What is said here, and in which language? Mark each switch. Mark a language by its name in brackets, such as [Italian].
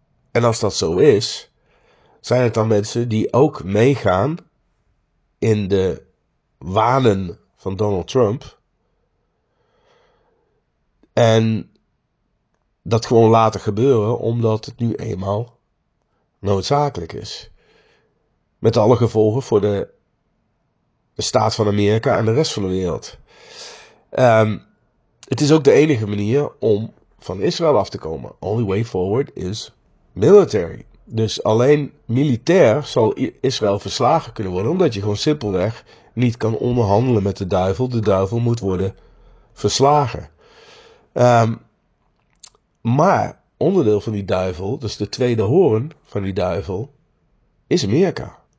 [Dutch] En als dat zo is, zijn het dan mensen die ook meegaan in de wanen van Donald Trump en dat gewoon laten gebeuren omdat het nu eenmaal noodzakelijk is. Met alle gevolgen voor de staat van Amerika en de rest van de wereld. Het is ook de enige manier om van Israël af te komen. [English] Only way forward is military. [Dutch] Dus alleen militair zal Israël verslagen kunnen worden, omdat je gewoon simpelweg niet kan onderhandelen met de duivel. De duivel moet worden verslagen. Maar onderdeel van die duivel, dus de tweede hoorn van die duivel, is Amerika.